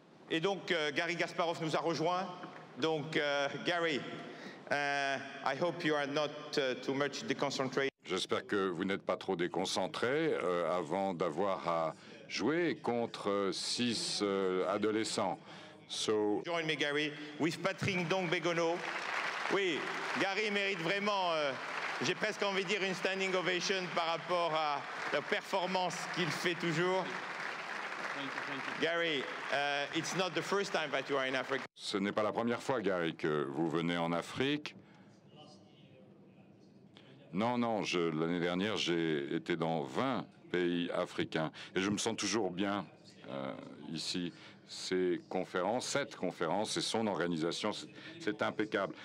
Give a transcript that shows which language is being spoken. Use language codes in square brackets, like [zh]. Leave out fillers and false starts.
[fr] Et donc, Gary Kasparov nous a rejoint. [en] Donc, Gary, I hope you are not too much deconcentrated. [fr] J'espère que vous n'êtes pas trop déconcentré avant d'avoir à jouer contre six adolescents. [en] So... Join me, Gary, with Patrick Dong-Begono. [fr] Oui, Gary mérite vraiment, j'ai presque envie de dire, une standing ovation par rapport à la performance qu'il fait toujours. [en] Thank you. Gary, it's not the first time that you are in Africa. [fr] Ce n'est pas la première fois, Gary, que vous venez en Afrique. Non, non, l'année dernière, j'ai été dans 20 pays africains et je me sens toujours bien ici. Cette conférence et son organisation, c'est impeccable.